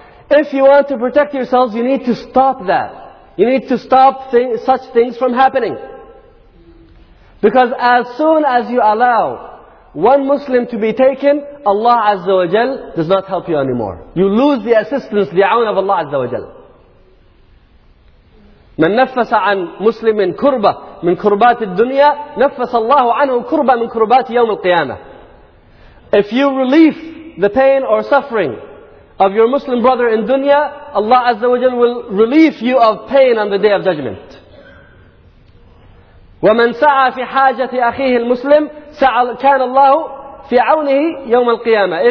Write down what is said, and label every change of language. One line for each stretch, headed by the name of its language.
English: If you want to protect yourselves, you need to stop that. You need to stop such things from happening. Because as soon as you allow one Muslim to be taken, Allah Azza wa Jal does not help you anymore. You lose the assistance, the awn of Allah Azza wa Jal.
Arabic: من نفس عن مسلم كربة من كربات الدنيا نفس الله عنه كربة من كربات يوم القيامة.
English: If you relieve the pain or suffering of your Muslim brother in dunya, Allah Azza wa Jal will relieve you of pain on the Day of Judgment.
Arabic: وَمَنْ سَعَى فِي حَاجَةِ أَخِيهِ الْمُسْلِمِ سَعَى كَانَ اللَّهُ فِي عَوْنِهِ يَوْمَ الْقِيَامَةِ.